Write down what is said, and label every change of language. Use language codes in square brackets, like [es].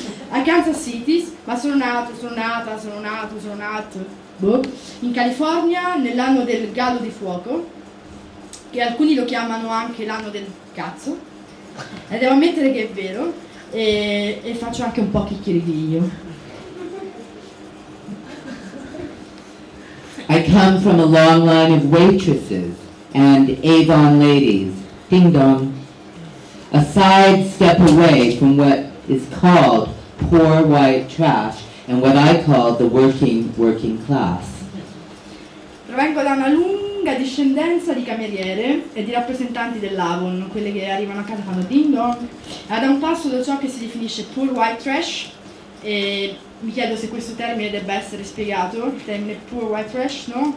[it] A Kansas City, ma sono nato, boh, in California nell'anno del gallo di fuoco. Che alcuni lo chiamano anche l'anno del cazzo, e devo ammettere che è vero, e faccio anche un po' chicchiriglio. [en] I come from a long line of waitresses and Avon ladies, ding dong, a sidestep away from what is called poor white trash and what I call the working class. [it] Provengo da una lunga discendenza di cameriere e di rappresentanti dell'Avon, quelle che arrivano a casa fanno ding dong, ad un passo da ciò che si definisce [en] poor white trash, [it] e mi chiedo se questo termine debba essere spiegato, il termine poor white trash, no?